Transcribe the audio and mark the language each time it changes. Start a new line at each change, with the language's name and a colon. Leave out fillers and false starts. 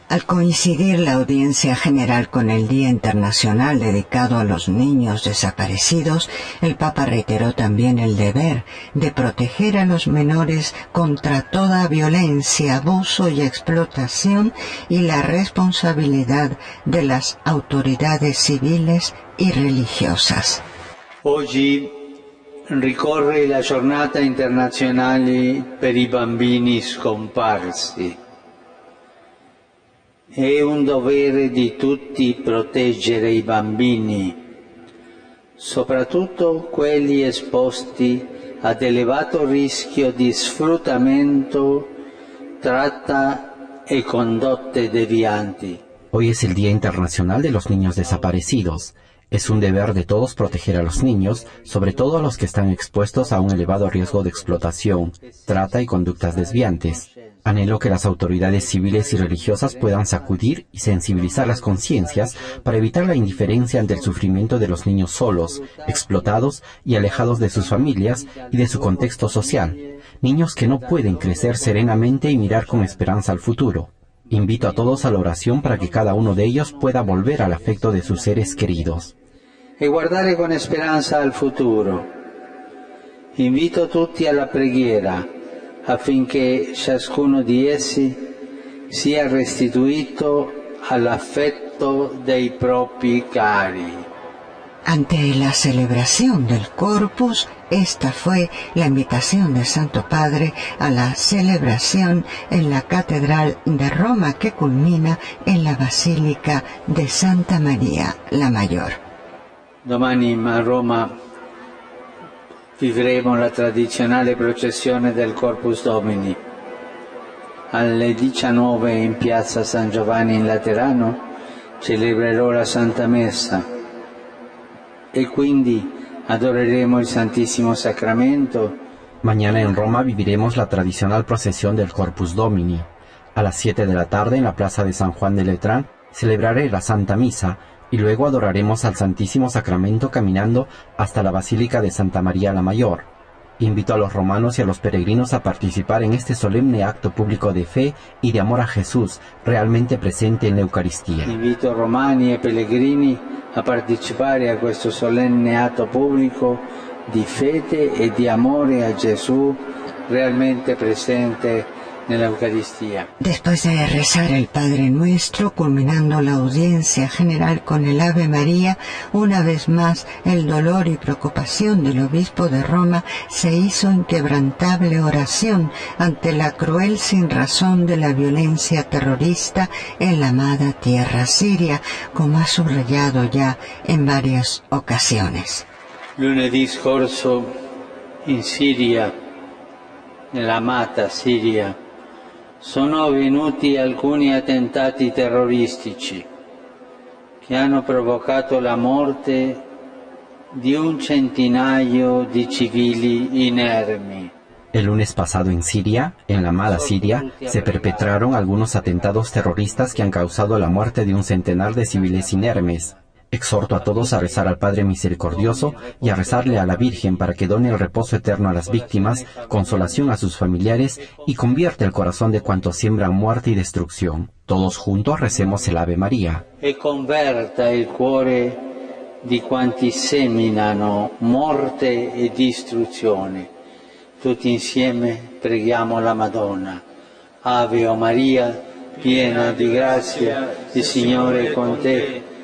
Spanish: Al coincidir la audiencia general con el Día Internacional dedicado a los niños desaparecidos, el Papa reiteró también el deber de proteger a los menores contra toda violencia, abuso y explotación y la responsabilidad de las autoridades civiles y religiosas.
Italian: Hoy ricorre la Giornata Internazionale per i bambini scomparsi. È un dovere di tutti proteggere i bambini, soprattutto quelli esposti ad elevato rischio di sfruttamento, tratta e condotte devianti.
Spanish: Hoy es el Día Internacional de los Niños Desaparecidos. Es un deber de todos proteger a los niños, sobre todo a los que están expuestos a un elevado riesgo de explotación, trata y conductas desviantes. Anhelo que las autoridades civiles y religiosas puedan sacudir y sensibilizar las conciencias para evitar la indiferencia ante el sufrimiento de los niños solos, explotados y alejados de sus familias y de su contexto social. Niños que no pueden crecer serenamente y mirar con esperanza al futuro. Invito a todos a la oración para que cada uno de ellos pueda volver al afecto de sus seres queridos.
Italian: Y guardare con esperanza al futuro. Invito a tutti alla preghiera affinché ciascuno di essi sia restituito all'affetto dei propri cari.
Spanish: Ante la celebración del Corpus, esta fue la invitación de Santo Padre a la celebración en la Catedral de Roma que culmina en la Basílica de Santa María la Mayor.
Italian: Domani a Roma vivremo la tradizionale processione del Corpus Domini. Alle 19 in piazza San Giovanni in Laterano celebrerò la Santa Messa. E quindi adoreremo il Santissimo Sacramento.
Spanish: Mañana en Roma viviremos la tradicional procesión del Corpus Domini. A las 7 de la tarde en la plaza de San Juan de Letrán celebraré la Santa Misa y luego adoraremos al Santísimo Sacramento caminando hasta la Basílica de Santa María la Mayor. Invito a los romanos y a los peregrinos a participar en este solemne acto público de fe y de amor a Jesús, realmente presente en la Eucaristía.
Italian: Invito a romani e pellegrini a partecipare a questo solenne atto pubblico di fede e di amore a Gesù, realmente presente nella Eucaristia.
Spanish: Después de rezar el Padre Nuestro, culminando la audiencia general con el Ave María, una vez más el dolor y preocupación del obispo de Roma se hizo inquebrantable oración ante la cruel sinrazón de la violencia terrorista en la amada tierra siria, como ha subrayado ya en varias ocasiones.
Italian: Lunedì scorso in Siria, nella amata Siria, sono avvenuti alcuni attentati terroristici che hanno provocato la morte di un centinaio di civili inermi.
Spanish: El lunes pasado en Siria, en la mala Siria, se perpetraron algunos atentados terroristas que han causado la muerte de un centenar de civiles inermes. Exhorto a todos a rezar al Padre Misericordioso y a rezarle a la Virgen para que done el reposo eterno a las víctimas, consolación a sus familiares y convierta el corazón de cuantos siembran muerte y destrucción. Todos juntos recemos el Ave María.
Italian: E converta il cuore di quanti seminano morte e distruzione. Tutti insieme preghiamo la Madonna. Ave o Maria, piena di grazia, il Signore è con te.